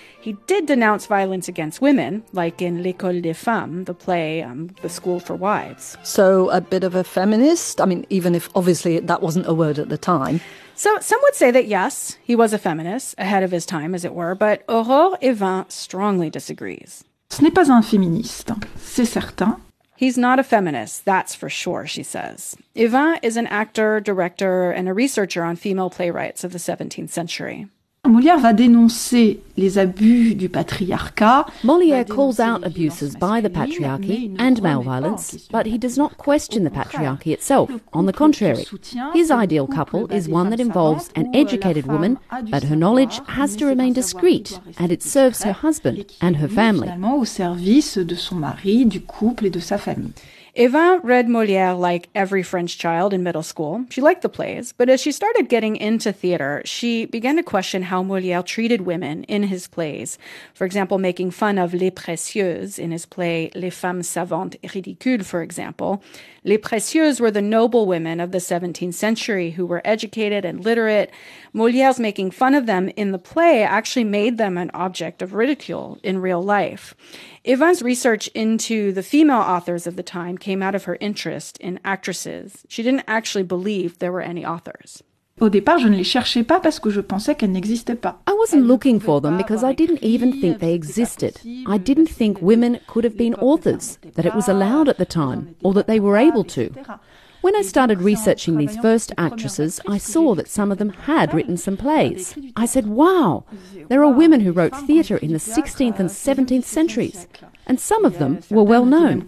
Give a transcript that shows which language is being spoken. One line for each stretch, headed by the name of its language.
English: He did denounce violence against women, like in L'École des Femmes, the play, The School for Wives. So a bit of a feminist? I mean, even if obviously that wasn't a word at the time. So some would say that yes, he was a feminist, ahead of his time, as it were, but Aurore Evain strongly disagrees.
French: Ce n'est pas un féministe, c'est certain.
English: He's not a feminist, that's for sure, she says. Evain is an actor, director, and a researcher on female playwrights of the 17th century.
French: Molière va dénoncer les abus du patriarcat.
English: Molière calls out abuses by the patriarchy and male violence, but he does not question the patriarchy itself. On the contrary, his ideal couple is one that involves an educated woman, but her knowledge has to remain discreet, and it serves her husband and her family.
French: Au service de son mari, du couple et de sa famille.
English: Evain read Molière like every French child in middle school. She liked the plays, but as she started getting into theater, she began to question how Molière treated women in his plays. For example, making fun of Les Précieuses in his play Les Femmes Savantes et Ridicules, for example. Les Précieuses were the noble women of the 17th century who were educated and literate. Molière's making fun of them in the play actually made them an object of ridicule in real life. Evain's research into the female authors of the time came out of her interest in actresses. She didn't actually believe there were any authors.
French: Au départ, je ne les cherchais pas parce que je pensais qu'elles n'existaient pas.
English: I wasn't looking for them because I didn't even think they existed. I didn't think women could have been authors, that it was allowed at the time, or that they were able to. When I started researching these first actresses, I saw that some of them had written some plays. I said, wow, there are women who wrote theatre in the 16th and 17th centuries, and some of them were well known.